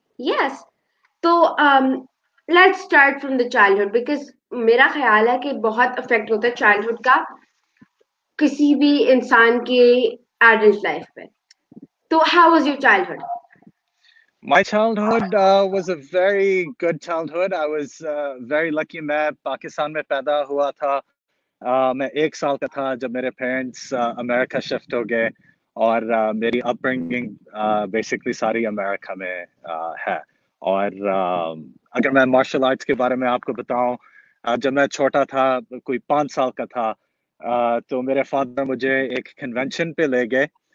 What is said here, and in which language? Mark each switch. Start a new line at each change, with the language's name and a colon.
English: yes. Let's start from the childhood,
Hindi: because मेरा ख्याल है कि बहुत अफेक्ट होता है चाइल्डहुड का किसी भी इंसान के एडल्ट लाइफ पे।
English: तो how was your childhood. My childhood was a very good childhood. I was very lucky.
Hindi: मैं पाकिस्तान में पैदा हुआ था। मैं 1 साल का था जब मेरे पेरेंट्स अमेरिका शिफ्ट हो गए। और मेरी अपब्रिंगिंग बेसिकली सारी अमेरिका में है। और अगर मैं मार्शल आर्ट्स के बारे में आपको बताऊं, जब मैं छोटा था, कोई 5 साल का था, तो मेरे फादर मुझे एक कन्वेंशन पे ले गए।